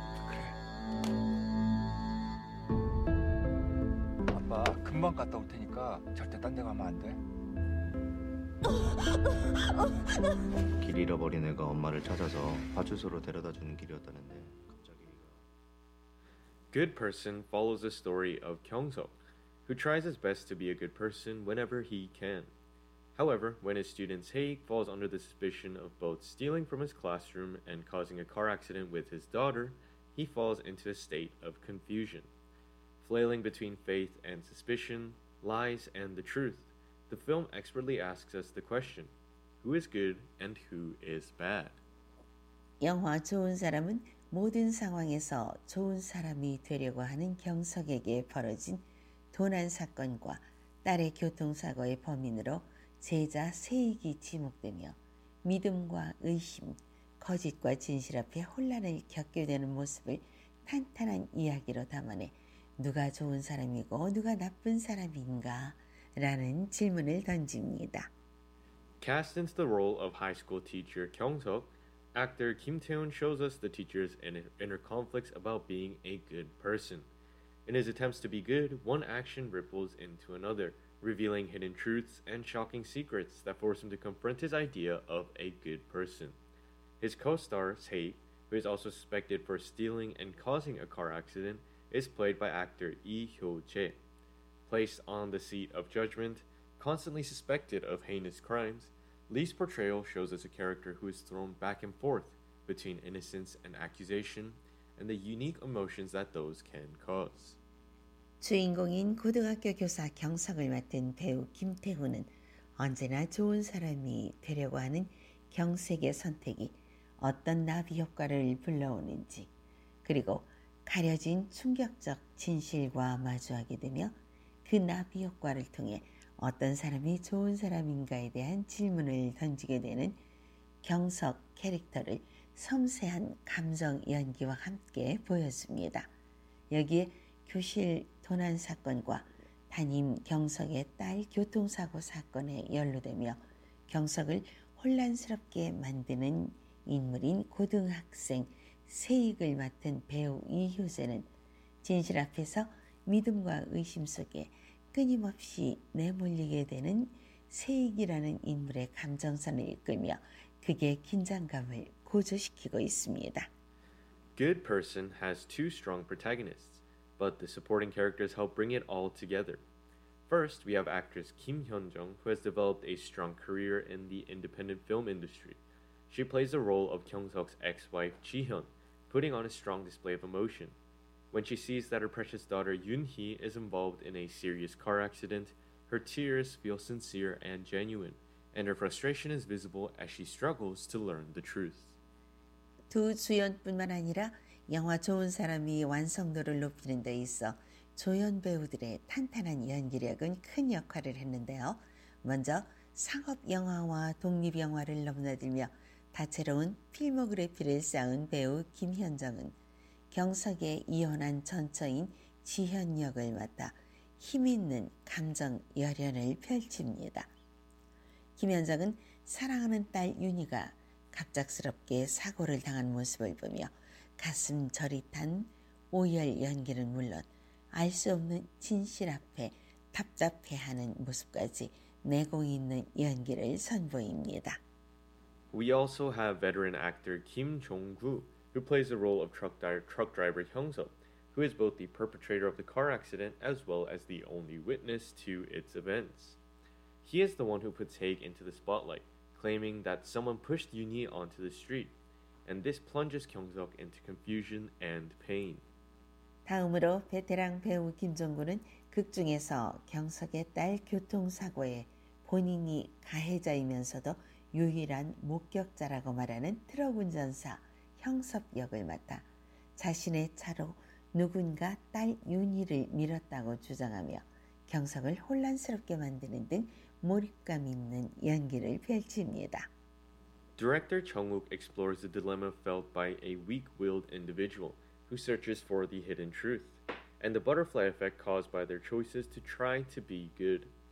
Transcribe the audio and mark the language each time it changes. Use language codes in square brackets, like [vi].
[ko] 그래. 아빠 금방 갔다 올 테니까 절대 딴 데 가면 안 돼. 길 잃어버린 애가 엄마를 찾아서 파출소로 데려다주는 길이었다는데 갑자기 애가... [en] Good Person follows the story of Kyung Seok, who tries his best to be a good person whenever he can. However, when his student Sae-ik falls under the suspicion of both stealing from his classroom and causing a car accident with his daughter, he falls into a state of confusion. Flailing between faith and suspicion, lies and the truth, the film expertly asks us the question, who is good and who is bad? [ko] 영화 좋은 사람은 모든 상황에서 좋은 사람이 되려고 하는 경석에게 벌어진 도난 사건과 딸의 교통사고의 범인으로 제자 세익이 지목되며 믿음과 의심, 거짓과 진실 앞에 혼란을 겪게 되는 모습을 탄탄한 이야기로 담아내 누가 좋은 사람이고 누가 나쁜 사람인가 라는 질문을 던집니다. [en] Cast into the role of high school teacher Kyung Seok, actor Kim Tae-hoon shows us the teacher's inner conflicts about being a good person. In his attempts to be good, one action ripples into another, revealing hidden truths and shocking secrets that force him to confront his idea of a good person. His co-star, Sae, who is also suspected for stealing and causing a car accident, is played by actor Lee Hyo-jae. Placed on the seat of judgment, constantly suspected of heinous crimes, Lee's portrayal shows us a character who is thrown back and forth between innocence and accusation, and the unique emotions that those can cause. [ko] 주인공인 고등학교 교사 경석을 맡은 배우 김태훈은 언제나 좋은 사람이 되려고 하는 경석의 선택이 어떤 나비 효과를 불러오는지, 그리고 가려진 충격적 진실과 마주하게 되며 그 나비 효과를 통해 어떤 사람이 좋은 사람인가에 대한 질문을 던지게 되는 경석 캐릭터를 섬세한 감정 연기와 함께 보여줍니다. 여기에 교실 도난 사건과 담임 경석의 딸 교통사고 사건에 연루되며 경석을 혼란스럽게 만드는 인물인 고등학생 세익을 맡은 배우 이효재는 진실 앞에서 믿음과 의심 속에 끊임없이 내몰리게 되는 세익이라는 인물의 감정선을 이끌며 그의 긴장감을 고조시키고 있습니다. [en] Good Person has two strong protagonists. But the supporting characters help bring it all together. First, we have actress Kim Hyun-jung, who has developed a strong career in the independent film industry. She plays the role of Kyung Seok's ex-wife, Ji-hyun, putting on a strong display of emotion. When she sees that her precious daughter, Yoon-hee, is involved in a serious car accident, her tears feel sincere and genuine, and her frustration is visible as she struggles to learn the truth. [ko] 두 주연뿐만 아니라 영화 좋은 사람이 완성도를 높이는 데 있어 조연 배우들의 탄탄한 연기력은 큰 역할을 했는데요. 먼저 상업 영화와 독립 영화를 넘나들며 다채로운 필모그래피를 쌓은 배우 김현정은 경석의 이혼한 전처인 지현 역을 맡아 힘있는 감정 열연을 펼칩니다. 김현정은 사랑하는 딸 윤희가 갑작스럽게 사고를 당한 모습을 보며 가슴 저릿한 오열 연기는 물론 알 수 없는 진실 앞에 답답해하는 모습까지 내공 있는 연기를 선보입니다. [en] We also have veteran actor Kim Jong-gu, who plays the role of truck driver Hyung-seop, who is both the perpetrator of the car accident as well as the only witness to its events. He is the one who puts Haig into the spotlight, claiming that someone pushed Yoon-hee onto the street, and this plunges Kyung-seok into confusion and pain. [ko] 다음으로 베테랑 배우 김정구는 극 중에서 경석의 딸 교통사고에 본인이 가해자이면서도 유일한 목격자라고 말하는 트럭 운전사 형섭 역을 맡아 자신의 차로 누군가 딸 윤희를 밀었다고 주장하며 경석을 혼란스럽게 만드는 등 몰입감 있는 연기를 펼칩니다. [en] Director Chung-wook explores the dilemma felt by a weak-willed individual who searches for the hidden truth and the butterfly effect caused by their choices to try to be good.